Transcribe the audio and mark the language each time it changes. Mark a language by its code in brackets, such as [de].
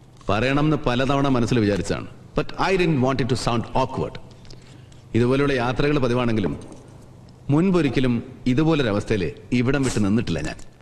[ml] പറയണംന്ന് പലതവണ മനസ്സിൽ വിചാരിച്ചാണ്. [en] But I didn't want it to sound awkward. [ml] ഇതുപോലെയുള്ള യാത്രകൾ പതിവാണെങ്കിലും മുൻപൊരിക്കലും ഇതുപോലൊരു അവസ്ഥയിൽ ഇവിടം വിട്ട് നിന്നിട്ടില്ല ഞാൻ.